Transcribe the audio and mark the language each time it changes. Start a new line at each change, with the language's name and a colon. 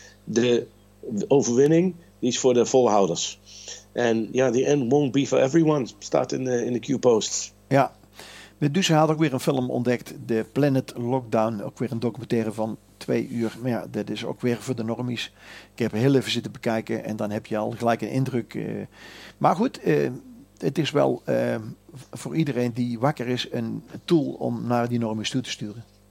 Dutch: De overwinning, die is voor de volhouders. En ja,
English: the end won't be for everyone.
Dutch: Staat in de Q-post. Ja. Medusa had ook weer een film ontdekt. The Planet Lockdown. Ook weer een documentaire van 2 uur. Maar ja, dat is ook weer voor de normies. Ik heb heel even zitten bekijken. En dan heb je al gelijk een indruk. Maar goed... Het is wel voor iedereen die wakker is een tool om naar die normies toe te sturen.